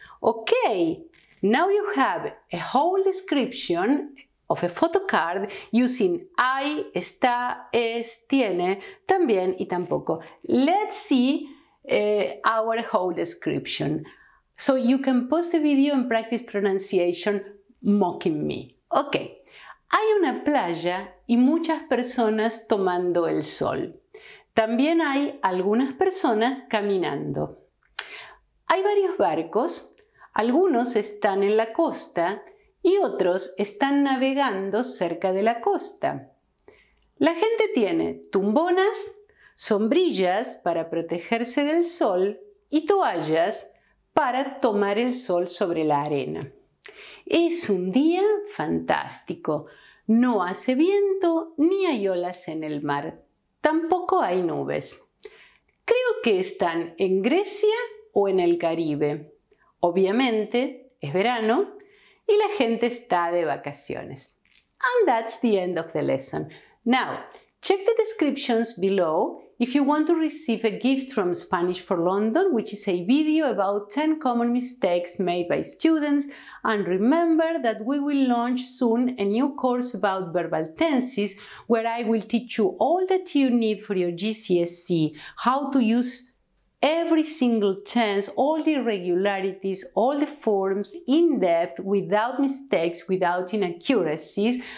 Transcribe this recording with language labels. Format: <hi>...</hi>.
<en>Okay, now you have a whole description of a photocard using hay, está, es, tiene, también y tampoco. Let's see our whole description. So you can pause the video and practice pronunciation mocking me. Ok.</en> <es>Hay una playa y muchas personas tomando el sol. También hay algunas personas caminando. Hay varios barcos. Algunos están en la costa y otros están navegando cerca de la costa. La gente tiene tumbonas, sombrillas para protegerse del sol y toallas para tomar el sol sobre la arena. Es un día fantástico. No hace viento ni hay olas en el mar. Tampoco hay nubes. Creo que están en Grecia o en el Caribe. Obviamente, es verano y la gente está de vacaciones.</es> <en>And that's the end of the lesson. Now, check the descriptions below if you want to receive a gift from Spanish for London, which is a video about 10 common mistakes made by students. And remember that we will launch soon a new course about verbal tenses, where I will teach you all that you need for your GCSE, how to use every single tense, all the irregularities, all the forms in depth, without mistakes, without inaccuracies.</en>